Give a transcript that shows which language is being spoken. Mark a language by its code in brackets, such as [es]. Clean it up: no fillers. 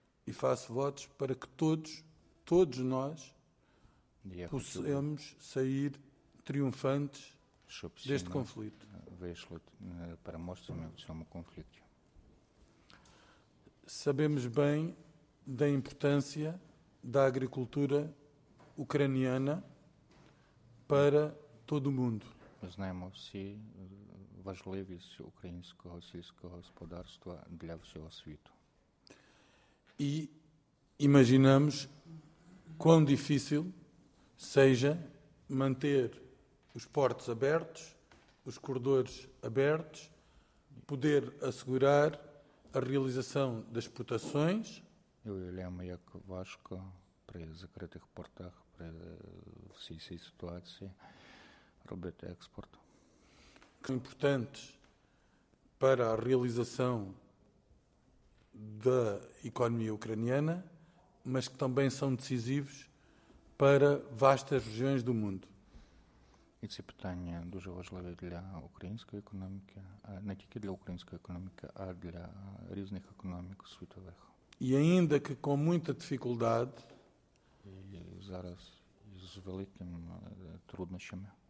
[pt] E faço votos para que todos todos nós possamos sair triunfantes deste conflito. Para mostrar-me que é um conflito. Sabemos bem da importância da agricultura ucraniana para todo o mundo. [uk] Мы знаем все важливість українського сільського господарства для всього світу. [pt] І imaginamos quão difícil seja manter os portos abertos, os corredores abertos, poder assegurar a realização das exportações. Eu lembro [uk] як важко при закритих портах, при всій цій ситуації, робити експорт. [pt] Que são importantes para a realização da economia ucraniana, mas que também são decisivos para vastas regiões do mundo. [uk] E це питання дуже важливе для української економіки, не тільки для української економіки, а для різних економік світових. [pt] E ainda que com muita dificuldade, [uk] зараз з великими труднощами,